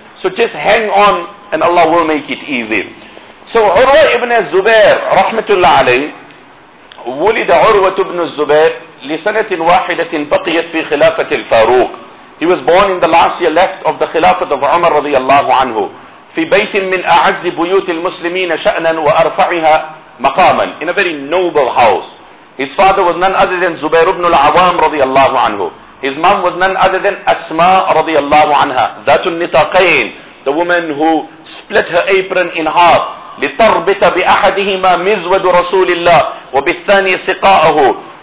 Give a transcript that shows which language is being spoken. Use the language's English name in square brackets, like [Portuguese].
[English] So just hang on and Allah will make it easy. So Urwa ibn Zubair rahmatullah alayhi [Arabic] وُلِدَ عُرْوَة ibn Zubair لِسَنَةٍ وَاحِدَةٍ بَقِيَتْ فِي خِلَافَةِ الْفَارُوق [English] He was born in the last year left of the Khilafat of Umar radiallahu anhu. [Arabic] في بيت من أعز بيوت المسلمين شأنا وأرفعها مقاما. [English] In a very noble house. His father was none other than Zubair ibn al-Awam radiallahu anhu. His mom was none other than Asma radiallahu anha. Dhatun nitaqain. The woman who split her apron in half. [Arabic] لِتَرْبِتَ بِأَحَدِهِمَا مِزْوَدُ رَسُولِ اللَّهِ وَبِالثَّانِي سِقَاءَهُ.